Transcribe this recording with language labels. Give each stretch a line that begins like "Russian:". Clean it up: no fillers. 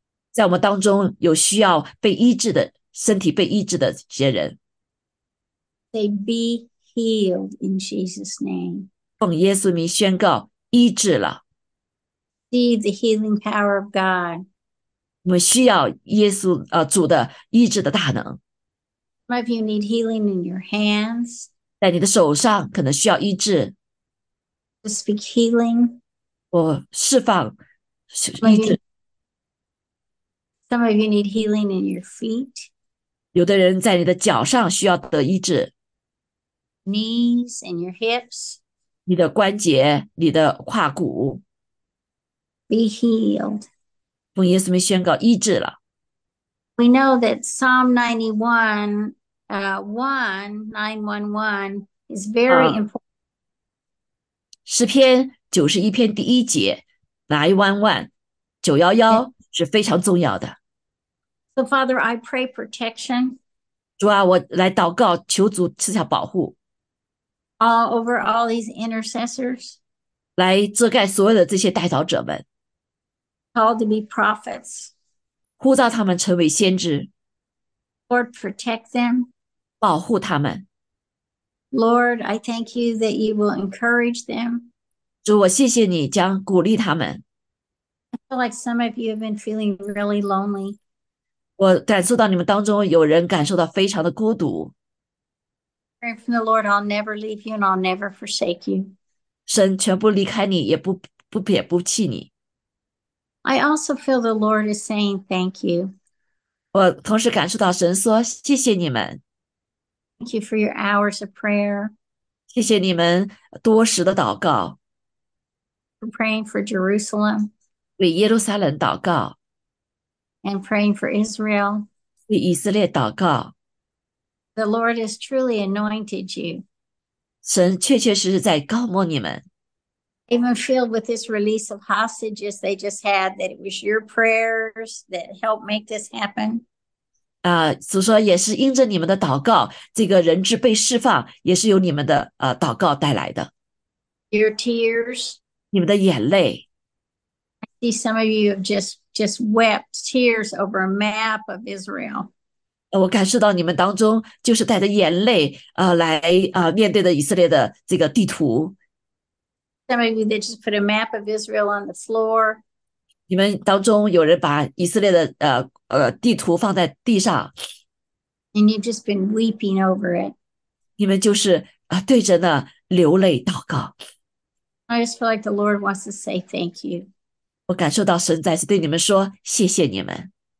Chinese: 在我们当中有需要被医治的，身体被医治的这些人。
English: They be healed in Jesus' name.
Chinese: 奉耶稣名宣告医治了。
English: See the healing power of God.
Chinese: 我们需要耶稣主的医治的大能。
English: Some of you need healing in your hands.
Chinese: 在你的手上可能需要医治。
English: Just speak healing.
Chinese: 我释放医治。
English: Some of you need healing in your feet.
Chinese: 有的人在你的脚上需要得医治。
English: Knees and your hips.
Chinese: 你的关节，你的胯骨。
English: Be healed.
Chinese: 奉耶稣名宣告医治了。
English: We know that Psalm 91:1 is very important.
Chinese: 诗篇91篇第一节911, 911 是非常重要的。
English: So Father, I pray protection.
Chinese: 主啊，我来祷告，求主赐下保护。
English: All over all these intercessors.
Chinese: 来遮盖所有的这些代祷者们。
English: Called to be prophets.
Chinese: 呼召他们成为先知。
English: Lord, protect them.
Chinese: 保护他们。
English: Lord, I thank you that you will encourage them.
Chinese: 主，我谢谢你将鼓励他们。
English: I feel like some of you have been feeling really lonely.
Chinese: 我感受到你们当中有人感受到非常的孤独。
English: Pray from the Lord, I'll never leave you and I'll never forsake you.
Chinese: 神全部离开你，也不弃你。
English: I also feel the Lord is saying thank you.
Chinese: 我同时感受到神说谢谢你们。
English: Thank you for your hours of prayer.
Chinese: 谢谢你们多时的祷告。
English: For praying for Jerusalem.
Chinese: 为耶路撒冷祷告。
English: And praying for Israel.
Chinese: 为以色列祷告。
English: The Lord has truly anointed you.
Chinese: 神确确实实在膏抹你们。
English: Even filled with this release of hostages they just had, that it was your prayers that helped make this happen.
Chinese: 主说也是因着你们的祷告，这个人质被释放，也是由你们的祷告带来的。
English: Your tears.
Chinese: 你们的眼泪。
English: I see some of you have just wept tears over a map of Israel.
Chinese: 我感受到你们当中就是带着眼泪面对的以色列的这个地图。
English: Some of you that just put a map of Israel on the floor.
Chinese: 你们当中有人把以色列的地图放在地上。
English: And you've just been weeping over it.
Chinese: 你们就是对着那流泪祷告。
English: I just feel like the Lord wants to say thank you.
Chinese: 我感受到神再次对你们说谢谢你们。